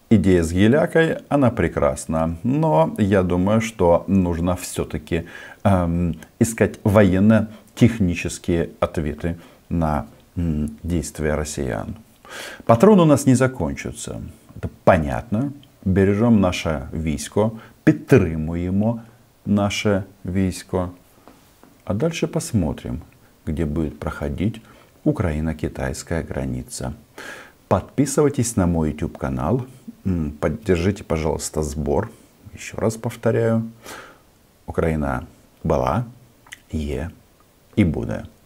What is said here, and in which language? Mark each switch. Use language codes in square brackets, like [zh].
[ru] Идея с гелякой, она прекрасна. Но я думаю, что нужно все-таки искать военно-технические ответы на действия россиян. Патрон у нас не закончится. Это понятно. Бережем наше військо. [uk] Підтримуємо наше військо. [ru] А дальше посмотрим, где будет проходить Украино-Китайская граница. Подписывайтесь на мой YouTube-канал. Поддержите, пожалуйста, сбор. Еще раз повторяю. Украина была, е и будет.